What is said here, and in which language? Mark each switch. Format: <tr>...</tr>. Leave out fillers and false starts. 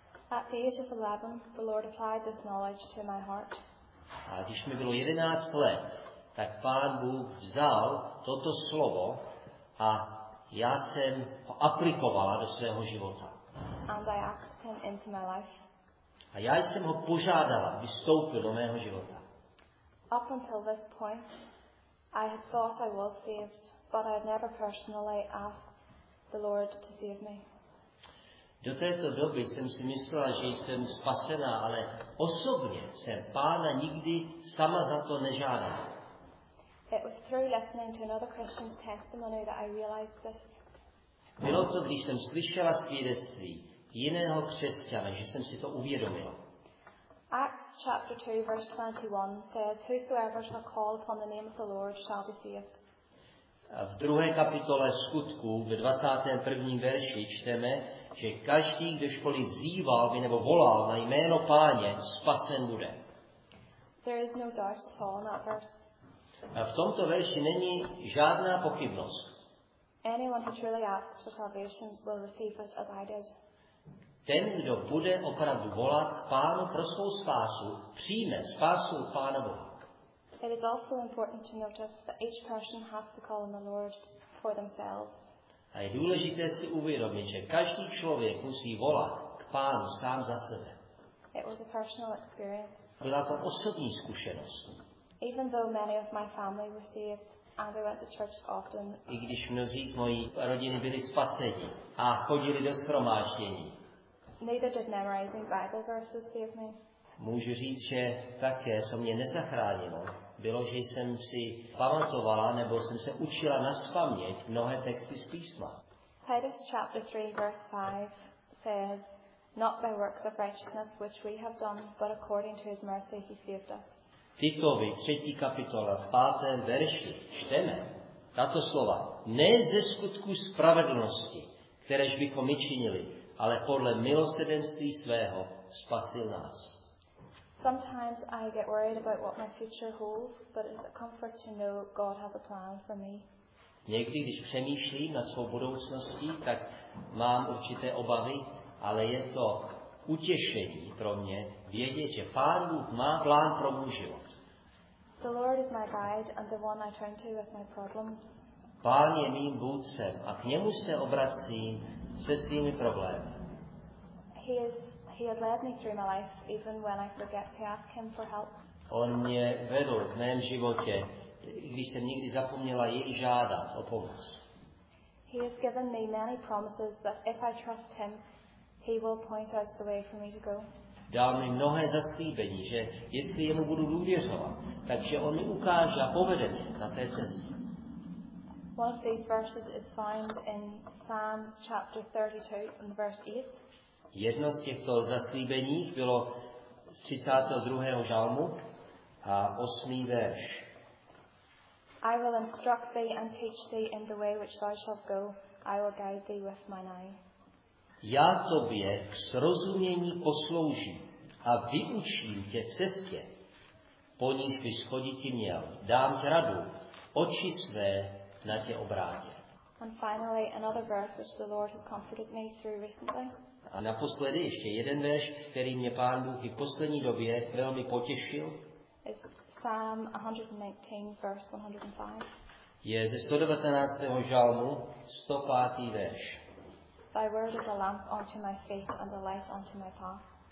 <en>At the age of 11, the Lord applied this knowledge to my heart.</en> <cs>A když mi bylo 11 let, tak Pán Bůh vzal toto slovo a já jsem ho aplikovala do svého života.</cs> <en>And I asked him into my life.</en> <cs>A já jsem ho požádala, aby vstoupil do mého života.</cs> <en>Up until this point, I had thought I was saved. But I had never personally asked the Lord to save me.</en> <cs>Do této doby jsem si myslela, že jsem spasená, ale osobně jsem Pána nikdy sama za to nežádala.</cs> <en>It was through listening to another Christian's testimony that I realized this.</en> <cs>Bylo to, když jsem slyšela svědectví jiného křesťana, že jsem si to uvědomila.</cs> <en>Acts chapter 2 verse 21 says, whosoever shall call upon the name of the Lord shall be saved.</en> <cs>V 2. kapitole Skutků ve 21. verši čteme, že každý, kdo školy vzýval by nebo volal na jméno Páně, spasen bude.</cs> <en>There is no doubt at all in that verse.</en> <cs>A v tomto verši není žádná pochybnost.</cs> <en>Anyone who truly asks for salvation will receive it as I did.</en> <cs>Ten, kdo bude opravdu volat k Pánu pro svou spásu, přijme spásu Pánovu.</cs> <en>It is also important to notice that each person has to call on the Lord for themselves.</en> <cs>A je důležité si uvědomit, že každý člověk musí volat k Pánu sám za sebe.</cs> <en>It was a personal experience.</en> <cs>Byla to osobní zkušenost.</cs> <en>Even though many of my family were saved and I went to church often.</en> <cs>I když mnozí z mojí rodiny byli spaseni a chodili do shromáždění.</cs> <en>Neither did memorizing Bible verses save me.</en> <cs>Můžu říct, že také, co mě nezachránilo, bylo, že jsem si pamatovala, nebo jsem se učila naspaměť mnohé texty z písma.</cs> <en>Titus chapter 3 verse 5 says, not by works of righteousness which we have done, but according to his mercy he saved us.</en> <cs>Titovi 3. kapitola 5. verši čteme tato slova, ne ze skutku spravedlnosti, kteréž bychom my činili, ale podle milosrdenství svého spasil nás.</cs> <en>Sometimes I get worried about what my future holds, but it's a comfort to know God has a plan for me.</en> <cs>Někdy, když přemýšlím nad svou budoucností, tak mám určité obavy, ale je to utěšení pro mě vědět, že Pán Bůh má plán pro můj život.</cs> <en>The Lord is my guide and the one I turn to with my problems.</en> <cs>Pán je mým vůdcem a k němu se obracím se svými problémy.</cs> <en>He has led me through my life even when I forget to ask him for help.</en> <cs>On mě vedl v mém životě, když jsem nikdy zapomněla jej žádat o pomoc.</cs> <en>He has given me many promises that if I trust him, he will point out the way for me to go.</en> <cs>Dal mi mnohé zaslíbení, že jestli jemu budu důvěřovat, takže on mi ukáže a povede mě na té cestě.</cs> <en>One of these verses is found in Psalms chapter 32 and verse 8.</en> <cs>Jedno z těchto zaslíbení bylo z 32. žalmu a 8. verš.</cs> <en>I will instruct thee and teach thee in the way which thou shalt go. I will guide thee with mine eye.</en> <cs>Já tobě k srozumění posloužím a vyučím tě cestě, po níž bys chodit měl. Dám tě radu, oči své na tě obrátě.</cs> <en>And finally, another verse which the Lord has comforted me through recently.</en> <cs>A naposledy ještě jeden verš, který mě Pán Bůh i v poslední době velmi potěšil.</cs> <en>It's Psalm 119, verse 105.</en> <cs>Je ze 119. žalmu 105. verš.</cs> <en>Thy word is a lamp unto my feet and a light unto my path.</en>